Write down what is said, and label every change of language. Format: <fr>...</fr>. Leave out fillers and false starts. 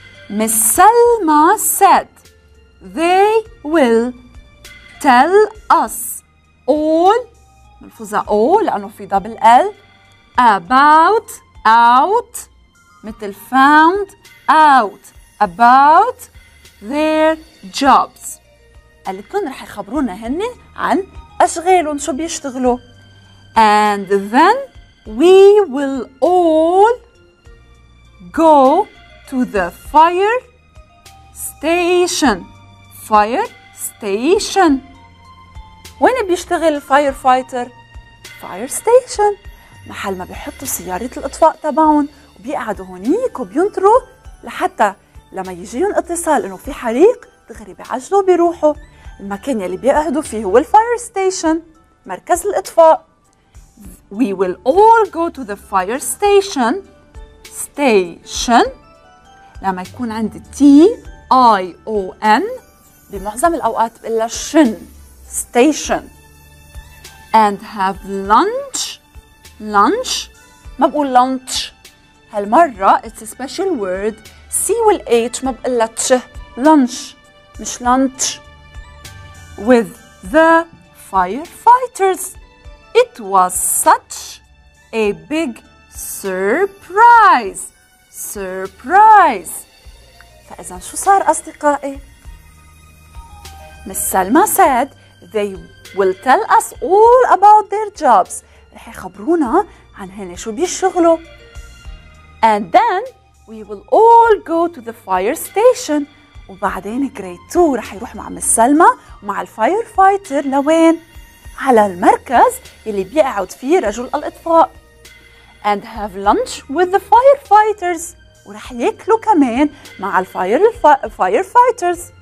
<en>Miss Selma said they will tell us all.</en> <ar>ملفوظة all لأنه في</ar> <en>double L. about, out. مثل found, out. about their jobs.</en> <ar>قالتلن رح يخبرونا هني عن أشغالهم شو بيشتغلوا.</ar> <en>and then we will all go to the fire station. fire station.</en> <ar>وين بيشتغل</ar> <en>firefighter؟ fire station.</en> <ar>محل ما بيحطوا سيارة الإطفاء تبعهم وبيقعدوا هونيك وبينتروا لحتى لما يجيهم اتصال إنه في حريق دغري بيعجلوا بيروحوا. المكان يلي بيقعدوا فيه هو الفاير ستيشن، مركز الإطفاء.</ar> <en>We will all go to the fire station.</en> <ar>station لما يكون عندي T-I-O-N بمعظم الأوقات بقلها شن.</ar> <en>station. and have lunch. lunch.</en> <ar>ما بقول lunch هالمرة.</ar> <en>it's a special word.</en> <ar>C وال-H ما بقلها تش. lunch مش lunch.</ar> <en>with the firefighters. it was such a big surprise. Surprise.</en> <ar>فإذا شو صار أصدقائي؟</ar> <en>Miss Salma said they will tell us all about their jobs.</en> <ar>رح يخبرونا عن هني شو بيشغلوا.</ar> <en>And then we will all go to the fire station.</en> <ar>وبعدين grade 2 رح يروح مع Miss Salma ومع الفاير فايتر لوين؟ على المركز اللي بيقعد فيه رجل الإطفاء.</ar> <en>And have lunch with the firefighters.</en> <ar>ورح يأكلوا كمان مع</ar> <en>firefighters.</en>